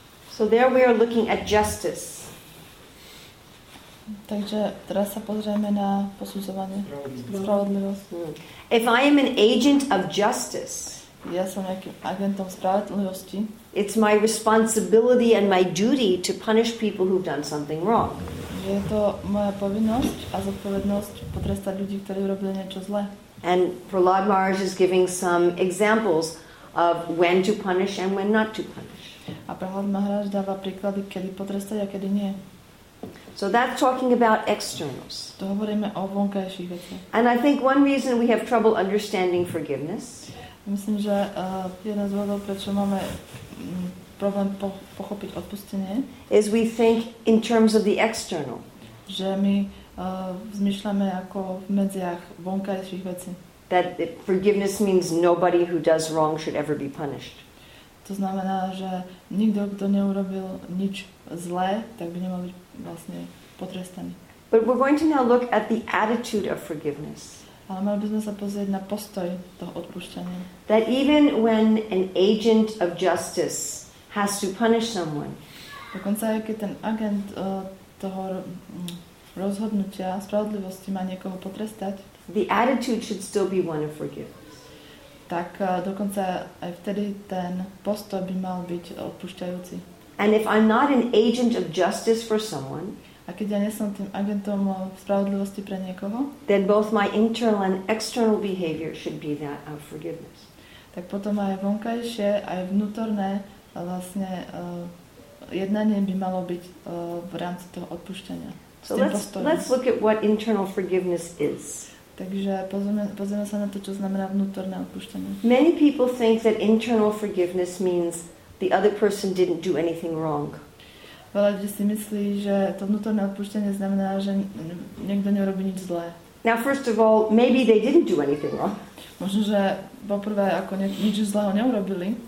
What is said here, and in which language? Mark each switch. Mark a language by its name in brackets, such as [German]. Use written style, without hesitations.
[English] So there we are looking at justice. [Slovak] Takže teraz sa pozrieme na posudzovanie spravodlivosť. [English] If I am an agent of justice, [Slovak] ja som nejakým agentom spravodlivosti, [English] it's my responsibility and my duty to punish people who've done something wrong. [Slovak] Je to moja povinnosť a zodpovednosť potrestať ľudí, ktorí urobili niečo zlé. [English] And Prahlad Maharaj is giving some examples of when to punish and when not to punish. [Slovak] A Prahlad Maharaj dáva príklady, kedy potrestať a kedy nie. [English] So that's talking about externals. [Slovak] To hovoríme o vonkajších veciach. [English] And I think one reason we have trouble understanding forgiveness. [Slovak] Myslím, že jedna z dôvodov, prečo máme problém pochopiť odpustenie, [English] is we think in terms of the external. [Slovak] Že my zmýšľame ako v medziach vonkajších vecí. [English] That forgiveness means nobody who does wrong should ever be punished. [Slovak] To znamená, že nikto, kto neurobil nič zlé, tak by nemal byť vlastne potrestaný. [English] But we're going to now look at the attitude of forgiveness. [Slovak] Ale mali by sme sa pozrieť na postoj toho odpúšťania. [English] That even when an agent of justice has to punish someone. [Slovak] Dokonca aj keď ten agent toho rozhodnutia spravodlivosti má niekoho potrestať. [English] The attitude should still be one of forgiveness. [Slovak] Tak dokonca aj vtedy ten postoj by mal byť odpúšťajúci. [English] And if I'm not an agent of justice for someone, [Slovak] a keď ja nie som tým agentom spravodlivosti pre niekoho, [English] then both my internal and external behavior should be that of forgiveness. [Slovak] Tak potom aj vonkajšie, aj vnútorné vlastne jednanie by malo byť v rámci toho odpúšťania. [English] So let's look at what internal forgiveness is. [Slovak] Takže pozrieme sa na to, čo znamená vnútorné odpúštenie. [English] Many people think that internal forgiveness means the other person didn't do anything wrong. [Slovak] Veľa ľudí si myslí, že to vnútorné odpúštenie znamená, že niekto nerobí nič zlé. [English] Now first of all, maybe they didn't do anything wrong. [Slovak] Možno, že poprvé ako nič zlého neurobili.